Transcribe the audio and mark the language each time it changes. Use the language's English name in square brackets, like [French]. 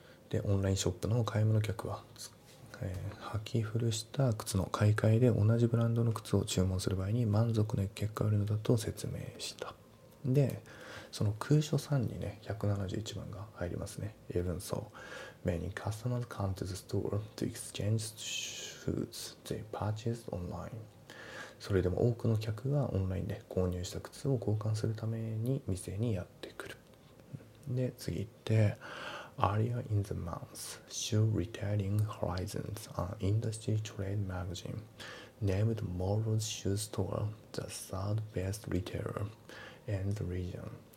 [Japanese] で、オンラインショップの買い物客は履き古した靴の買い替えで同じブランドの靴を注文する場合に満足の結果を得るのだと説明した。で、その空所3にね、171番が入りますね。 [English] Even so, many customers come to the store to exchange shoes they purchased online. [Japanese] それでも多くの客がオンラインで購入した靴を交換するために店にやってくる。で、次行って [English] Earlier in the month, Shoe Retailing Horizons, an industry trade magazine, named Morrow's Shoe Store the third best retailer in the region.